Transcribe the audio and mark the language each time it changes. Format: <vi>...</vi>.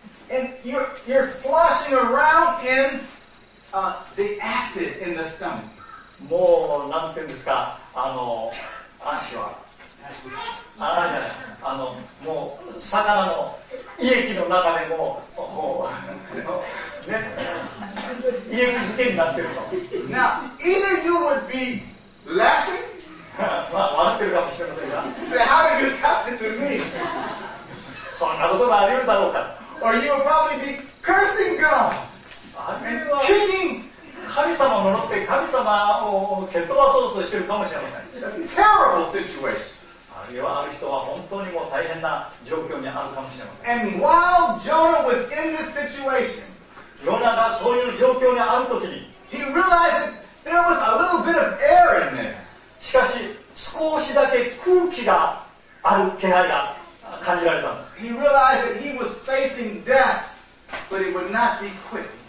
<en>And you're sloshing around in the acid in the stomach.</en> <ja>もう、なんていうんですか、足は、もう、魚の胃液の中でも、こう、ね、胃液漬けになってると。</ja> <en>Now, either you would be laughing,</en> <ja>まあ、笑ってるかもしれませんが、</ja> <en>say, how did this happen to me?</en> <ja>そんなことがあり得るだろうか。</ja> <en>Or you would probably be cursing God, and kicking.</en> <ja>神様を呪って神様を蹴っ飛ばそうとしているかもしれません。</ja> <en>Terrible situation.</en> <ja>あるいはある人は本当にもう大変な状況にあるかもしれません。</ja> <en>And while Jonah was in this situation,</en> <ja>ヨナがそういう状況にあるときに、</ja> <en>he realized there was a little bit of air in there.</en> <ja>しかし少しだけ空気がある気配が感じられたんです。</ja> <en>He realized that he was facing death, but he would not be quick.</en>